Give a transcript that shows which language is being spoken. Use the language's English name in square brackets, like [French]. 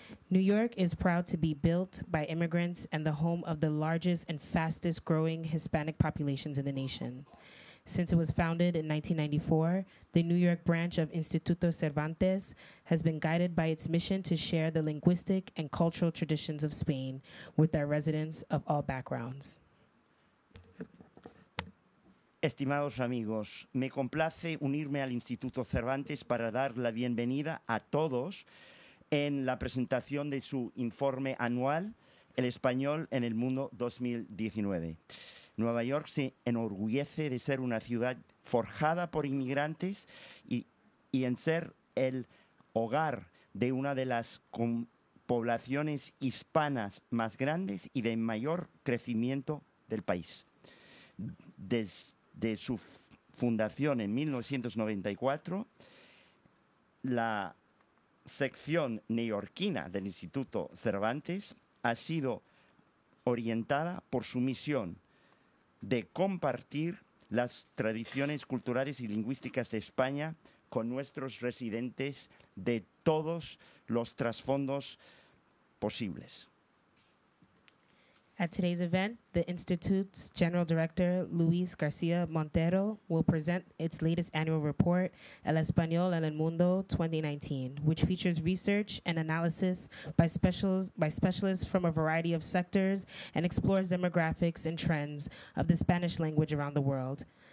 [English] New York is proud to be built by immigrants and the home of the largest and fastest growing Hispanic populations in the nation. Since it was founded in 1994, the New York branch of Instituto Cervantes has been guided by its mission to share the linguistic and cultural traditions of Spain with our residents of all backgrounds. [Spanish] Estimados amigos, me complace unirme al Instituto Cervantes para dar la bienvenida a todos en la presentación de su informe anual, El Español en el Mundo 2019. Nueva York se enorgullece de ser una ciudad forjada por inmigrantes y en ser el hogar de una de las poblaciones hispanas más grandes y de mayor crecimiento del país. Desde su fundación en 1994, la sección neoyorquina del Instituto Cervantes ha sido orientada por su misión de compartir las tradiciones culturales y lingüísticas de España con nuestros residentes de todos los trasfondos posibles. [English] At today's event, the Institute's General Director, Luis García Montero, will present its latest annual report, El Español en el Mundo 2019, which features research and analysis by specialists from a variety of sectors and explores demographics and trends of the Spanish language around the world.